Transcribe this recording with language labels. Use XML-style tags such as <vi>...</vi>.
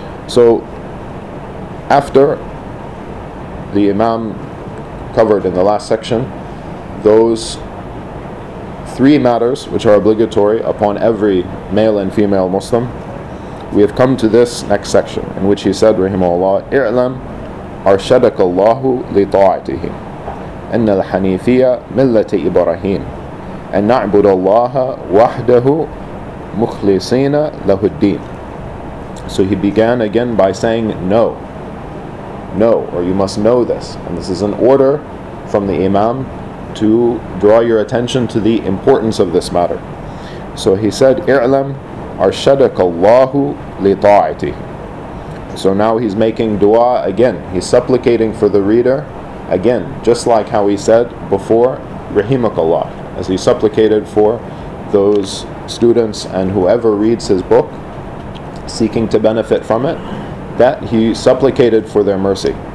<en>So after the Imam covered in the last section those three matters which are obligatory upon every male and female Muslim, we have come to this next section in which he said, rahimahullah,</en> <ar>اِعْلَمْ أَرْشَدَكَ اللَّهُ لِطَاعَتِهِ أَنَّ الْحَنِيفِيَ مِلَّةِ إِبْرَاهِيمِ أَنْ نَعْبُدَ اللَّهَ وَحْدَهُ مُخْلِصِينَ لَهُ الدِّينِ.</ar> <en>So he began again by saying, or you must know this. And this is an order from the Imam to draw your attention to the importance of this matter. So he said,</en> <ar>اِعْلَمْ أَرْشَدَكَ اللَّهُ لِطَاعَتِهِ.</ar> <en>So now he's making dua again. He's supplicating for the reader again, just like how he said before,</en> <ar>رَحِمَكَ اللَّهُ,</ar> <en>as he supplicated for those students and whoever reads his book seeking to benefit from it, that he supplicated for their mercy.</en>